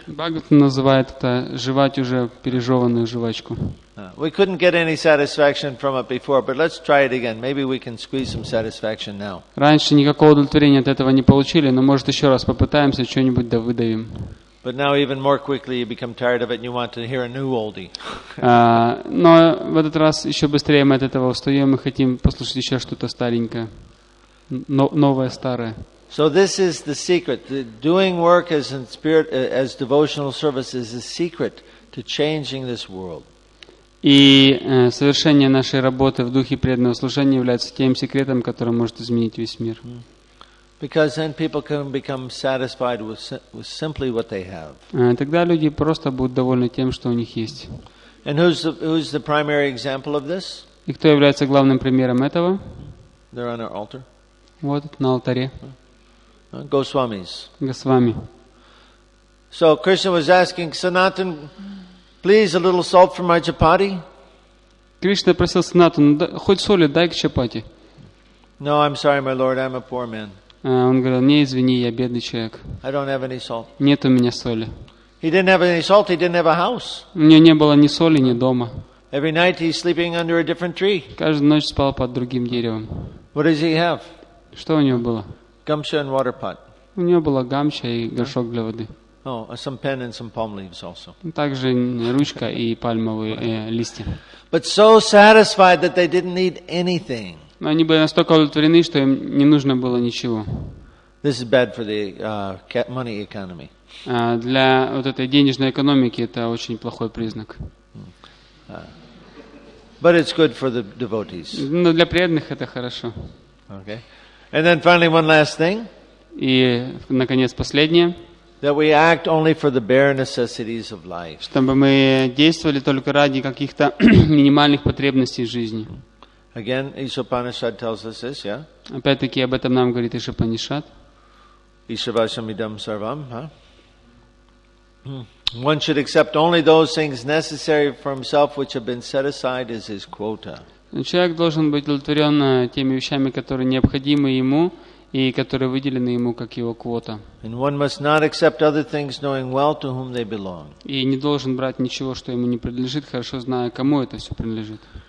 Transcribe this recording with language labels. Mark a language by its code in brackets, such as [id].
[ru] Бхагаватам называет это жевать уже пережеванную жвачку. [en] We couldn't get any satisfaction from it before, but let's try it again. Maybe we can squeeze some satisfaction now. [ru] Раньше никакого удовлетворения от этого не получили, но может еще раз попытаемся что-нибудь да выдавим. [en] But now even more quickly you become tired of it and you want to hear a new oldie. [ru] Но в этот раз еще быстрее мы от этого устаем и хотим послушать еще что-то старенькое, новое старое. [en] So this is the secret. Doing work as in spirit, as devotional service, is the secret to changing this world. [ru] И совершение нашей работы в духе преданного служения является тем секретом, который может изменить весь мир. [en] Because then people can become satisfied with simply what they have. [ru] Тогда люди просто будут довольны тем, что у них есть. [en] And who's the primary example of this? [ru] И кто является главным примером этого? [en] They're on our altar. [ru] Вот на алтаре. Госвамис. Госвами. [en] So Krishna was asking Sanatan, please a little salt for my chapati. [ru] Кришна просил Санатан, хоть соли дай к чапати. [en] No, I'm sorry, my lord, I'm a poor man. [ru] Он говорил, не, извини, я бедный человек. [en] I don't have any salt. [ru] Нет у меня соли. [en] He didn't have any salt. He didn't have a house. [ru] У него не было ни соли, ни дома. [en] Every night he's sleeping under a different tree. [ru] Каждую ночь спал под другим деревом. [en] What does he have? [ru] Что у него было? [en] Gamsha and water pot. [ru] У него была гамча и горшок для воды. [en] Oh, some pen and some palm leaves also. [ru] Также ручка и пальмовые листья. [en] But so satisfied that they didn't need anything. [ru] Но они были настолько удовлетворены, что им не нужно было ничего. [en] This is bad for the money economy. [ru] Для вот этой денежной экономики это очень плохой признак. [en] But it's good for the devotees. [ru] Но для преданных это хорошо. [en] Okay. And then finally one last thing. [ru] И наконец последнее. [en] That we act only for the bare necessities of life. [ru] Чтобы мы действовали только ради каких-то минимальных потребностей жизни. [en] Again, Ишопанишад tells us this, yeah? [ru] Опять-таки об этом нам говорит Ишопанишад. [sa] Ишавасам идам сарвам, huh? [en] One should accept only those things necessary for himself which have been set aside as his quota. [ru] Человек должен быть удовлетворен теми вещами, которые необходимы ему и которые выделены ему как его квота. И не должен брать ничего, что ему не принадлежит, хорошо зная, кому это все принадлежит.